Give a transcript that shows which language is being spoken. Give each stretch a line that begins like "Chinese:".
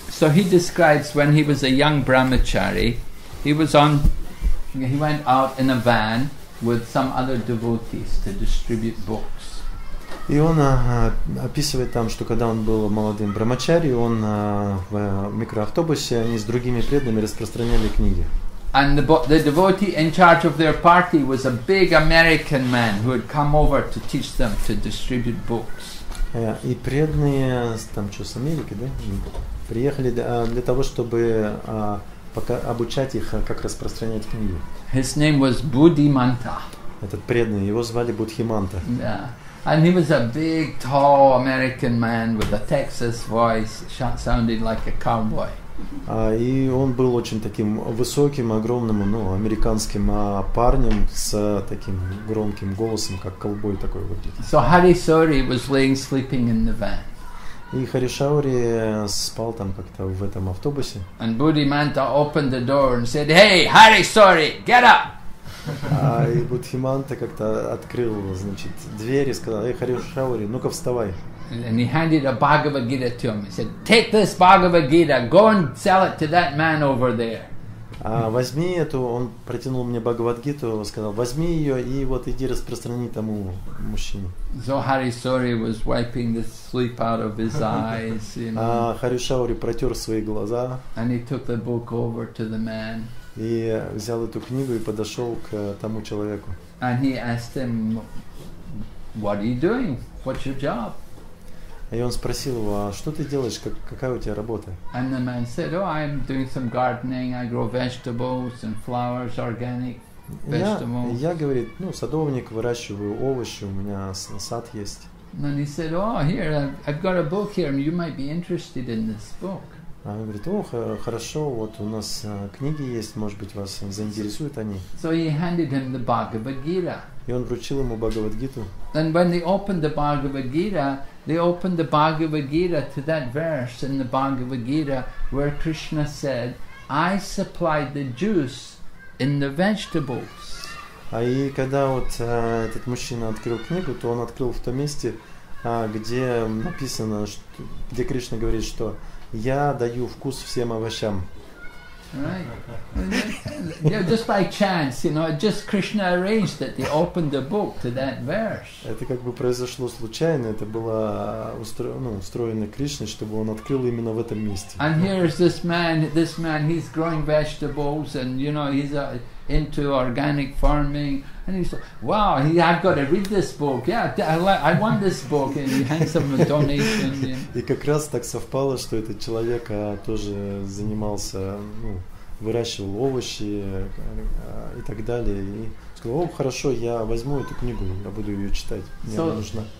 English: So he describes when he was a young brahmachari, he went out in a van with some other devotees to distribute books.
Russian: И он описывает там, что когда он был молодым брахмачари, он в микроавтобусе они с другими преданными распространяли книги.
English: And the devotee in charge of their party was a big American man who had come over to teach them to distribute books.
Russian: И преданные там что с Америки, да, приехали для того, чтобы обучать их, как распространять книги.
English: His name was Buddhimanta.
Russian: Этот преданный, его звали Буддхиманта.
English: Yeah, and he was a big, tall American man with a Texas voice, sounding like a cowboy.
Russian: И он был очень таким высоким, огромным, американским парнем с таким громким голосом, как ковбой такой выглядит.
English: So Hari Sori was laying sleeping in the van.
Russian: И Харишаури спал там как-то в этом автобусе.
English: And Buddhimanta opened the door and said, "Hey, Hari, sorry, get up!"
Russian: А и Буддхиманта как-то открыл, значит, дверь и сказал: "Эй, Харишаури, ну-ка вставай!"
English: And he handed a Bhagavad Gita to him. He said, "Take this Bhagavad Gita, go and sell it to that man over there."
Russian: А возьми эту, он протянул мне Бхагавад-гиту, сказал, возьми ее и вот иди распространи тому мужчине.
English: So Harishauri was wiping the sleep out of his eyes, you know.
Russian: А Харишаури протер свои глаза.
English: And he took the book over to the man.
Russian: И взял эту книгу и подошел к тому человеку.
English: And he asked him, "What are you doing? What's your job?"
Russian: И он спросил его, а что ты делаешь, как, какая у тебя работа?
English: And the man said, "Oh, I'm doing some gardening. I grow vegetables and flowers, organic vegetables."
Russian: Я говорит, ну, садовник, выращиваю овощи, у меня сад есть.
English: And then he said, "Oh, here, I've got a book here. You might be interested in this book."
Russian: А он говорит, "О, хорошо, вот у нас книги есть, может быть, вас заинтересуют они."
English: So he handed him the Bhagavad Gita.
Russian: И он вручил ему Бхагавад Гиту.
English: And when they opened the Bhagavad Gita, they opened the Bhagavad Gita to that verse in the Bhagavad Gita where Krishna said, "I supplied the juice in the vegetables."
Russian: А и когда вот этот мужчина открыл книгу, то он открыл в том месте, где написано, что, где Кришна говорит, что я даю вкус всем овощам.
English: Right. Yeah, just by chance, you know, just Krishna arranged that they opened the book to that verse.
Russian: Это как бы произошло случайно, это было устроено Кришной, чтобы он открыл именно в этом месте.
English: And here is this man, he's growing vegetables and, you know, he's into organic farming, and he's like, "Wow, I've got to read this book. Yeah, I want this book," and he hands him a donation.
Russian: И как раз так совпало, что этот человек тоже занимался, ну, выращивал овощи и так далее, и сказал: "О, хорошо, я возьму эту книгу, я буду ее читать, мне она нужна."